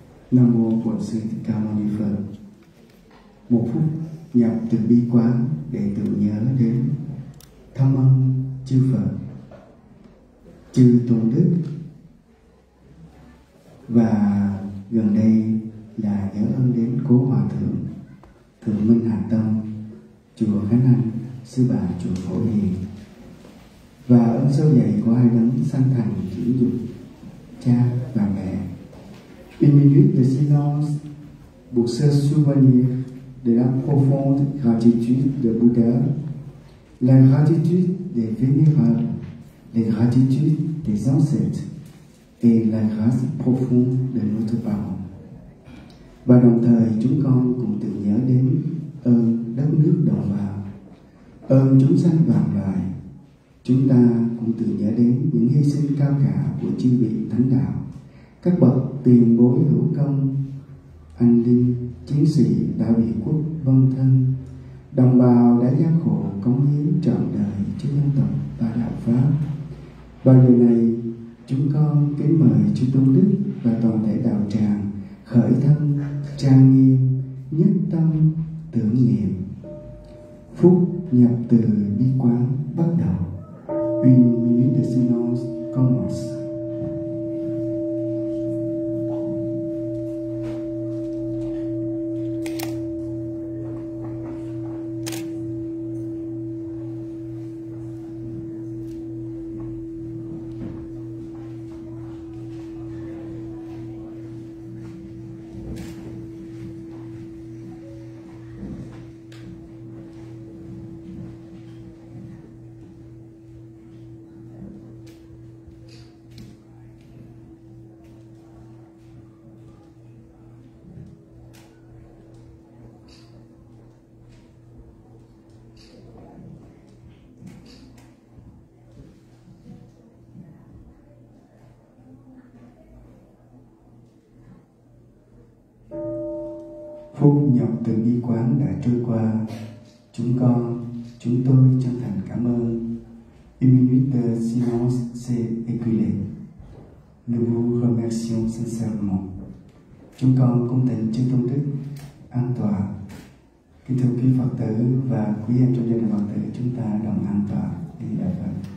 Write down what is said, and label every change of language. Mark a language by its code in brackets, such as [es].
[vi] Nam mô Bổn Sư Thích Ca Mâu Ni Phật. Một phút nhập từ bi quán để tưởng nhớ đến thâm ân chư Phật, chư tôn đức và gần đây là nhớ ơn đến cố hòa thượng Thượng Minh Hà Tâm chùa Khánh An, sư bà chùa Phổ Hiền và ơn sâu dày của hai đấng sanh thành dưỡng dục cha và mẹ. [fr] In minuit de silence, pour se souvenir de la profonde gratitude de Bouddha, la gratitude des vénérables, la gratitude des ancêtres et la grâce profonde de notre parent. [vi] Và đồng thời chúng con cũng tự nhớ đến ơn đất nước đồng bào, ơn chúng sanh vạn loài. Chúng ta cũng tự nhớ đến những hy sinh cao cả của chư vị thánh đạo, các bậc tiền bối hữu công, anh linh chiến sĩ đã vì quốc vân thân, đồng bào đã gian khổ cống hiến trọn đời cho dân tộc và đạo pháp. Và giờ này chúng con kính mời chư tôn đức và toàn thể đạo tràng khởi thân trang nghiêm, nhất tâm tưởng niệm. Phúc nhập từ bi quán bắt đầu. [fr] Une minute de silence commence. [vi] Phút nhập từ bi quán đã trôi qua, chúng con, chúng tôi chân thành cảm ơn. [fr] Minute silence s'est écoulé. Nous vous remercions sincèrement. [vi] Chúng con cung thỉnh chư tôn đức an tọa. Kính thưa quý Phật tử và quý em trong gia đình Phật tử, chúng ta đồng an tọa đi đại Phật.